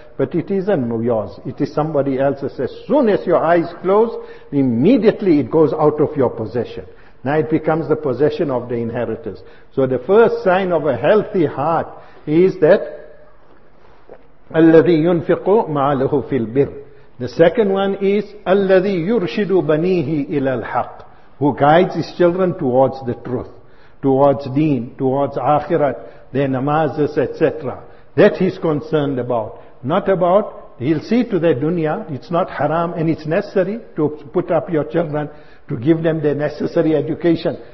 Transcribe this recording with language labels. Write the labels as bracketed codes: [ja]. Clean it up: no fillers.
[en] But it isn't yours. It is somebody else's. As soon as your eyes close, immediately it goes out of your possession. Now it becomes the possession of the inheritors. So the first sign of a healthy heart is that [ar] الَّذِي يُنْفِقُ مَعَلَهُ فِي الْبِرِ. [en] The second one is [ar] الَّذِي يُرْشِدُ بَنِيهِ إِلَى الْحَقِّ. [en] Who guides his children towards the truth, towards deen, towards akhirat, their namazes, etc. That he's concerned about. Not about, he'll see to their dunya, it's not haram and it's necessary to put up your children, to give them their necessary education.